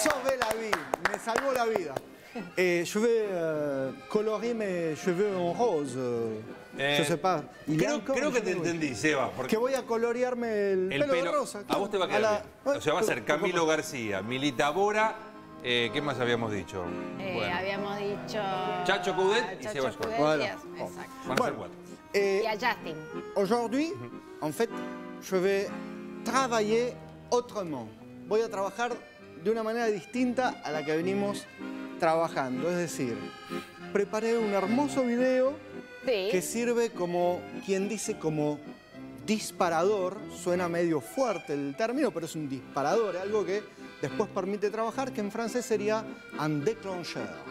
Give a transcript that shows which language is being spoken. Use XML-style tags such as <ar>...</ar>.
<fr>Sauvé la vie,</fr> <es>me salvó la vida.</es> <fr>Je vais colorer mes cheveux en rose.</fr> <es>Yo sepa. Creo que te entendí, Seba. Que voy a colorearme el pelo de rosa. Claro. A vos te va a quedar. O sea, va a ser Camilo García, Milita Bora. ¿Qué más habíamos dicho? Bueno. Habíamos dicho... Chacho Coudet y Seba Shkolnik. Bueno. Exacto. Van a ser cuatro. Y a Justin.</es> <fr>Aujourd'hui, en fait, je vais travailler autrement.</fr> <es>Voy a trabajar de una manera distinta a la que venimos trabajando. Es decir, preparé un hermoso video que sirve como, quien dice, como disparador. Suena medio fuerte el término, pero es un disparador. Es algo que después permite trabajar, que en francés sería un déclencheur.</es>